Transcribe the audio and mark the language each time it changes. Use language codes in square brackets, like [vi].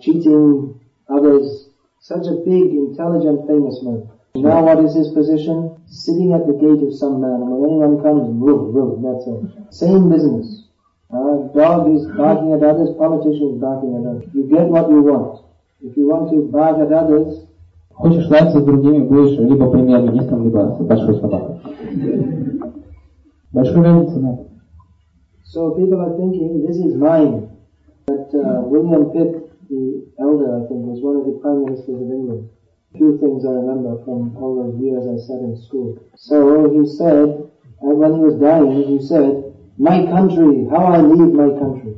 [en] Cheating others. Such a big, intelligent, famous man. Sure. Now what is his position? Sitting at the gate of some man. And when anyone comes, woof, woof, that's it. Same business. Dog is barking at others, politician is barking at others. You get what you want. If you want to bark at others... [ru] Хочешь лаять с другими, будешь либо премьер-министром, либо большой собакой. Большой разница, да. [en] So people are thinking, this is mine. William Pitt, the elder, I think, was one of the prime ministers of England. A few things I remember from all the years I sat in school. So he said, when he was dying, he said, my country, how I leave my country.